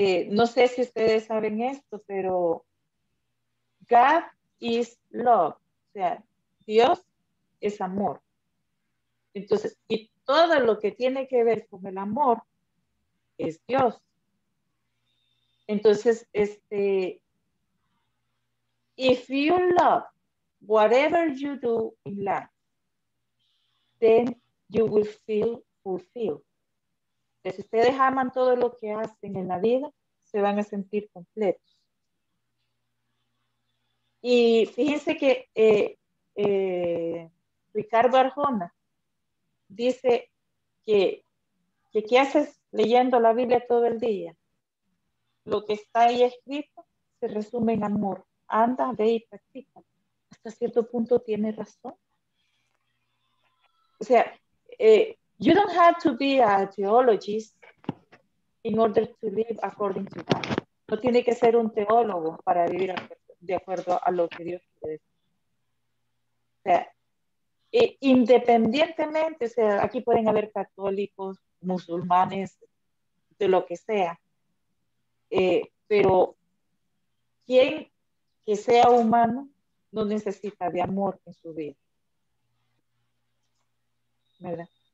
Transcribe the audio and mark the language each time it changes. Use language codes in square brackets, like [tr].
[es] No sé si ustedes saben esto, pero [en] God is love, [es] o sea, Dios es amor. Entonces, y todo lo que tiene que ver con el amor es Dios. Entonces, [en] if you love whatever you do in life, then you will feel fulfilled. [es] Entonces, si ustedes aman todo lo que hacen en la vida, se van a sentir completos. Y fíjense que Ricardo Arjona dice que ¿qué haces leyendo la Biblia todo el día? Lo que está ahí escrito se resume en amor. Anda, ve y practica. Hasta cierto punto tiene razón. O sea, [en] you don't have to be a theologist in order to live according to God. [es] No tiene que ser un teólogo para vivir de acuerdo a lo que Dios quiere decir. O sea, independientemente, o sea, aquí pueden haber católicos, musulmanes, de lo que sea, pero quien que sea humano no necesita de amor en su vida, ¿verdad?